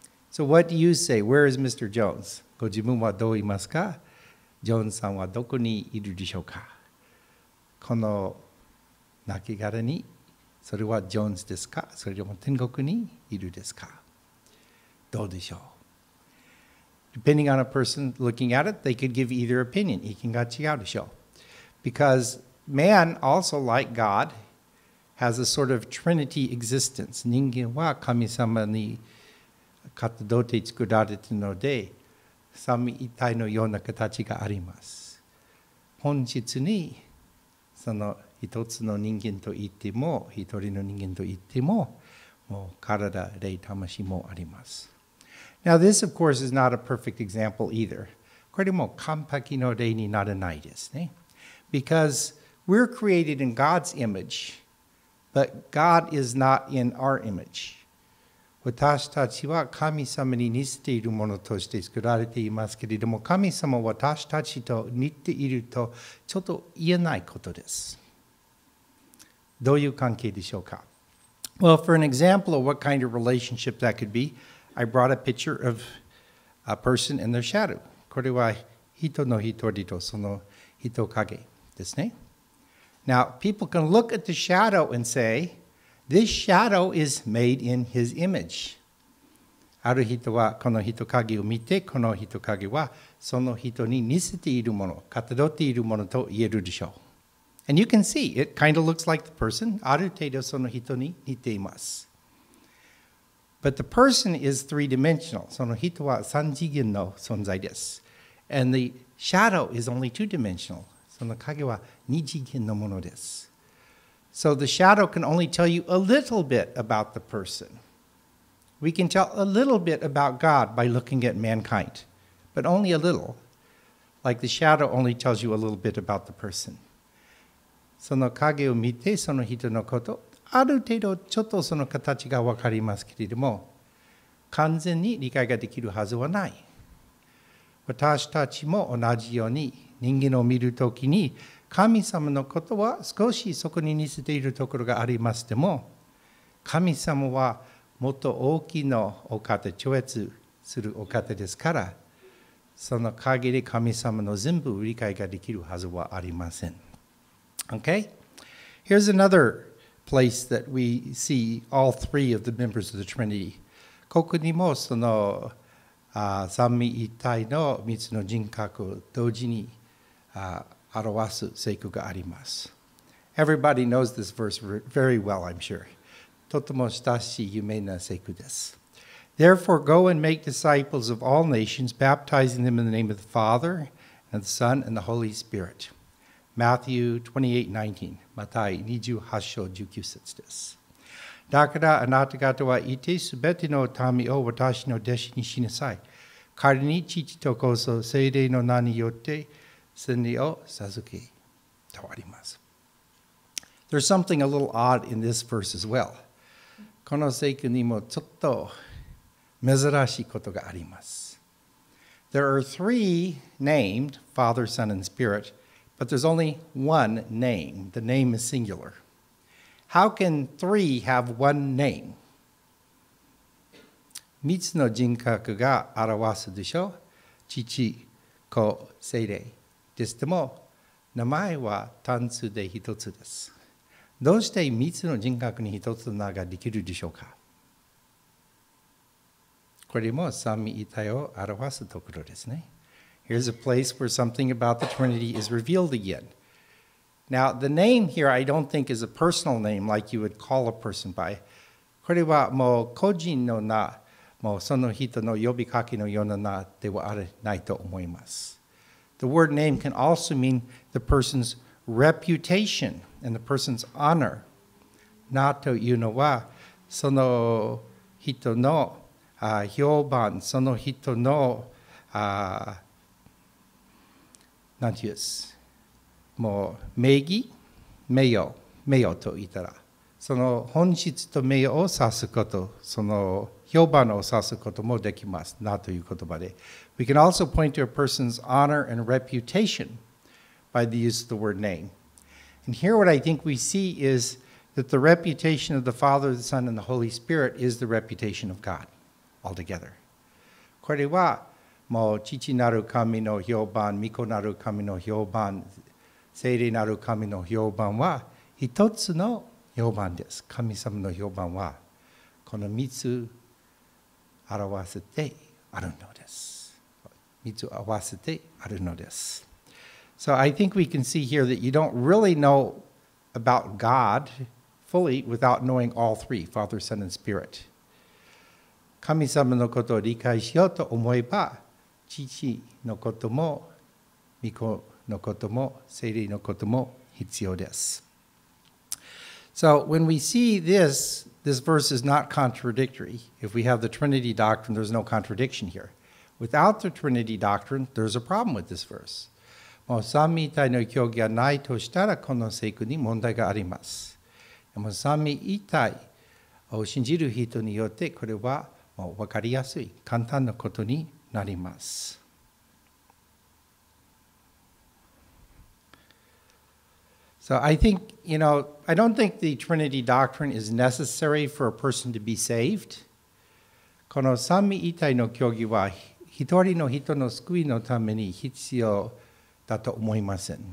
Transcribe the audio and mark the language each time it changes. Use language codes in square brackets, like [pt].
[en] So what do you say? Where is Mr. Jones? [ja] ご自分はどう言いますか？ジョンさんはどこにいるでしょうか？この亡き殻に、それはジョンズですか？それとも天国にいるですか？どうでしょう？ Depending on a person looking at it, they could give either opinion. 意見が違うでしょう。 [en] Because man, also like God, has a sort of trinity existence. [ja] 人間は神様に片手で作られているので、三位一体のような形があります。本質にその一つの人間と言っても、一人の人間と言っても、もう体、霊、魂もあります。 [en] Now, this, of course, is not a perfect example either. [ja] これも完璧の例にならないですね。 [en] Because we're created in God's image, but God is not in our image. [ja] 私たちは神様に似ているものとして作られていますけれども、神様は私たちと似ているとちょっと言えないことです。どういう関係でしょうか? [en] Well, for an example of what kind of relationship that could be, I brought a picture of a person in their shadow. [ja] これは人の一人とその人影ですね。 [en] Now, people can look at the shadow and say, this shadow is made in his image. [ja] ある人はこの人影を見て、この人影はその人に似せているもの、かたどっているものと言えるでしょう。 [en] And you can see, it kind of looks like the person. [ja] ある程度その人に似ています。 [en] But the person is three-dimensional. [ja] その人は三次元の存在です。 [en] And the shadow is only two-dimensional. [ja] その影は二次元のものです。 [en] So the shadow can only tell you a little bit about the person. We can tell a little bit about God by looking at mankind. But only a little. Like the shadow only tells you a little bit about the person. [ja] その影を見てその人のこと、ある程度ちょっとその形がわかりますけれども、完全に理解ができるはずはない。私たちも同じように人間を見るときに、神様のことは少しそこに似せているところがありますでも、神様はもっと大きなお方、超越するお方ですから、その影で神様の全部理解ができるはずはありません。 [en] Okay, here's another place that we see all three of the members of the Trinity. [ja] ここにもその三位一体の三つの人格を同時に表す聖句があります。 [en] Everybody knows this verse very well, I'm sure. [ja] とても親しい有名な聖句です。 [en] Therefore, go and make disciples of all nations, baptizing them in the name of the Father, and the Son, and the Holy Spirit. Matthew 28:19. Matthew 28:19 です。 [ja] だからあなた方は言ってすべての民を私の弟子にしなさい。彼に父と子と聖霊の名によって洗礼を授けとあります。 [en] There's something a little odd in this verse as well. [ja] この聖句にもちょっと珍しいことがあります。 [en] There are three named, Father, Son, and Spirit, but there's only one name. The name is singular. How can three have one name? [ja] 三つの人格が表すでしょう。父、子、聖霊。ですでも、名前は単数で一つです。どうして三つの人格に一つの名ができるでしょうか。これも三位一体を表すところですね。 [en] Here's a place where something about the Trinity is revealed again. Now, the name here, I don't think is a personal name like you would call a person by. [ja] これはもう個人の名、もうその人の呼びかけのような名ではないと思います。 [en] The word name can also mean the person's reputation and the person's honor. [ja] 名というのは、その人の評判、その人の、なんていうです。もう名義、名誉と言ったら、その本質と名誉を指すこと、その評判を指すこともできます。なという言葉で。 [en] We can also point to a person's honor and reputation by the use of the word name. And here what I think we see is that the reputation of the Father, the Son, and the Holy Spirit is the reputation of God altogether. [ja] これはもう父なる神の評判、御子なる神の評判、聖霊なる神の評判は一つの評判です。神様の評判はこの三つ表せてあるのです。三つ合わせてあるのです。 [en] So I think we can see here that you don't really know about God fully without knowing all three, Father, Son, and Spirit. [ja] 神様のことを理解しようと思えば、父のことも御子のことも聖霊のことも必要です。 [en] So when we see this, this verse is not contradictory. If we have the Trinity Doctrine, there's no contradiction here. Without the Trinity Doctrine, there's a problem with this verse. [ja] もう三位一体の教義がないとしたら、この聖句に問題があります。もう三位一体を信じる人によって、これはもう分かりやすい、簡単なことになります。 [en] So I think, you know, I don't think the Trinity Doctrine is necessary for a person to be saved. [ja] この三位一体の教義は一人の人の救いのために必要だと思いません。